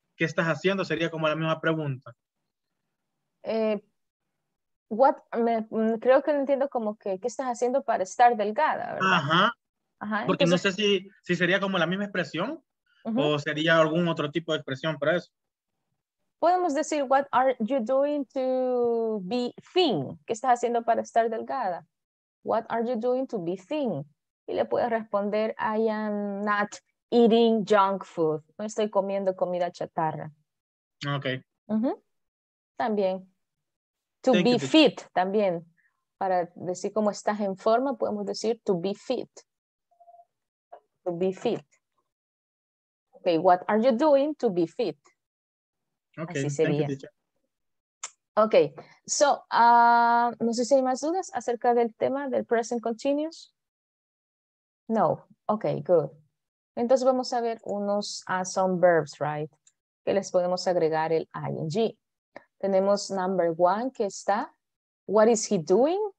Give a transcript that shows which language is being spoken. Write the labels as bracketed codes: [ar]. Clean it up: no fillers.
[es] ¿Qué estás haciendo? Sería como la misma pregunta. Creo que no entiendo como que ¿qué estás haciendo para estar delgada? ¿Verdad? Ajá, porque entonces, no sé si sería como la misma expresión o sería algún otro tipo de expresión para eso. Podemos decir, [en] what are you doing to be thin? [es] ¿Qué estás haciendo para estar delgada? [en] What are you doing to be thin? [es] Y le puedes responder, [en] I am not eating junk food. [es] No estoy comiendo comida chatarra. [en] Ok. [es] También. [en] To be fit, también. [es] Para decir cómo estás en forma, podemos decir [en] to be fit. To be fit. Okay, what are you doing to be fit? Okay, [es] así sería. [en] Thank you, [es] okay, so, no sé si hay más dudas acerca del tema del present continuous. No, [en] okay, good. [es] Entonces vamos a ver unos [en] some verbs, right? [es] Que les podemos agregar el ing. Tenemos number one que está, [en] what is he doing?